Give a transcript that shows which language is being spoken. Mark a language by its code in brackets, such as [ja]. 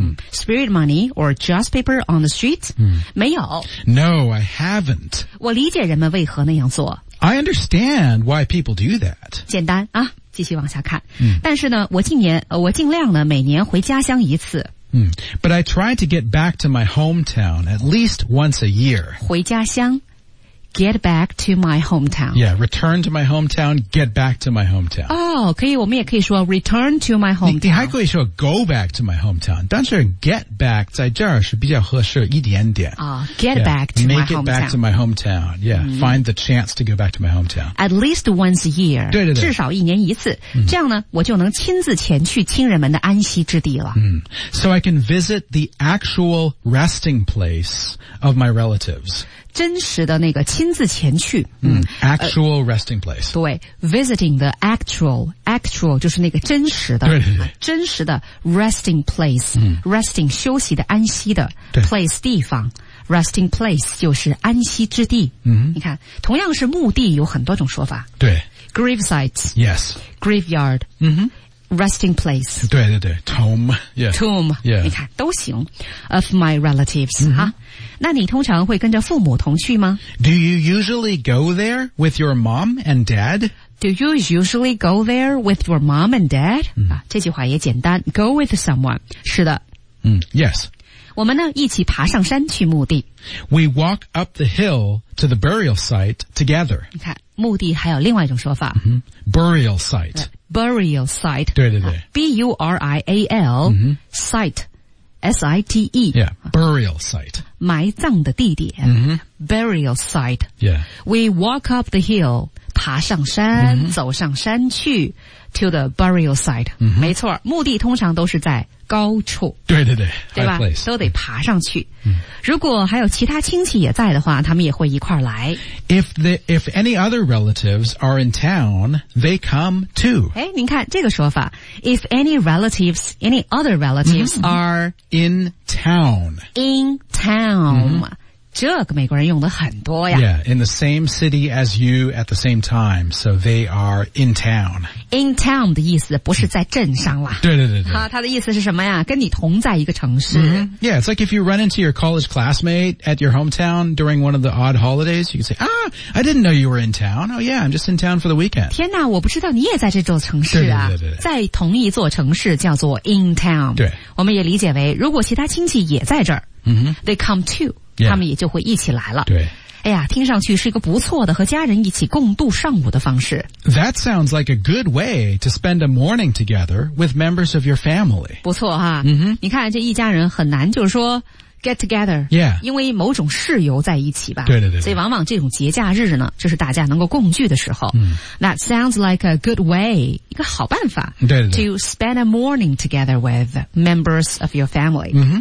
[en] Spirit money or just paper on the street? [zh] 没有。 [en] No, I haven't. [zh] 我理解人们为何那样做。 [en] I understand why people do that. [zh] 简单啊，继续往下看。但是呢，我尽量呢每年回家乡一次。 [en] But I try to get back to my hometown at least once a year. [zh] 回家乡。 [en] Get back to my hometown. Yeah, return to my hometown, get back to my hometown. [zh] Oh, 可以我们也可以说 [en] return to my hometown. [zh] 你还可以说 [en] go back to my hometown. [zh] 但是 [en] get back [zh] 在这儿是比较合适一点点。 [en] Get back to my hometown. Yeah, find the chance to go back to my hometown. At least once a year. [zh] 对对对。至少一年一次。这样呢我就能亲自前去亲人们的安息之地了。 [en] So I can visit the actual resting place of my relatives. [zh] 真实的那个亲自前去。 [en] Actual resting place. [zh] 对 , [en] visiting the actual [zh] 就是那个真实的。对对对。真实的 [en] resting place,resting [zh] 休息的安息的 place 地方。 [en] resting place [zh] 就是安息之地。你看同样是墓地有很多种说法。对。 [en] gravesite. Yes. graveyard. Resting place. 对对对 ,tomb. Yeah. Tomb. Yeah. [zh] 你看都行。 [en] Of my relatives. [zh] 哈。那你通常会跟着父母同去吗 [en] ?Do you usually go there with your mom and dad? Do you usually go there with your mom and dad? [zh] 这句话也简单。 [en] Go with someone. [zh] 是的。 [en] Yes. [zh] 我们呢一起爬上山去墓地。 [en] We walk up the hill to the burial site together. [zh] 你看墓地还有另外一种说法。 [en] Burial site. Burial site. [zh] 对对对。 [en] B-U-R-I-A-L. Site. S-I-T-E. Yeah, burial site. [zh] 埋葬的地点。 [en] Burial site. Yeah. We walk up the hill. [zh] 爬上山走上山去 [en] to the burial site. [zh] 没错墓地通常都是在高处。对对对。对吧都得爬上去。如果还有其他亲戚也在的话他们也会一块来。 [en] If any other relatives are in town, they come too. [zh] 诶您看这个说法。 [en] If any other relatives are in town. In town. 这个美国人用的很多呀。 Yeah, in the same city as you at the same time, so they are in town. In town [zh] 的意思不是在镇上啦。对对对对。他的意思是什么呀跟你同在一个城市。 [en] Yeah, it's like if you run into your college classmate at your hometown during one of the odd holidays, you can say, ah, I didn't know you were in town. Oh yeah, I'm just in town for the weekend. [zh] 天哪我不知道你也在这座城市啊。对对对对。在同一座城市叫做 [en] in town。 [zh] 对。我们也理解为如果其他亲戚也在这儿。 [en] They come too. Yeah. [zh] 他们也就会一起来了。对。哎呀听上去是一个不错的和家人一起共度上午的方式。 [en] That sounds like a good way to spend a morning together with members of your family. [zh] 不错哈。你看这一家人很难就是说 [en] get together. Yeah. [zh] 因为某种事由在一起吧。对对 对, 对。所以往往这种节假日呢就是大家能够共聚的时候。 [en] That sounds like a good way, [zh] 一个好办法。对对对。 [en] To spend a morning together with members of your family.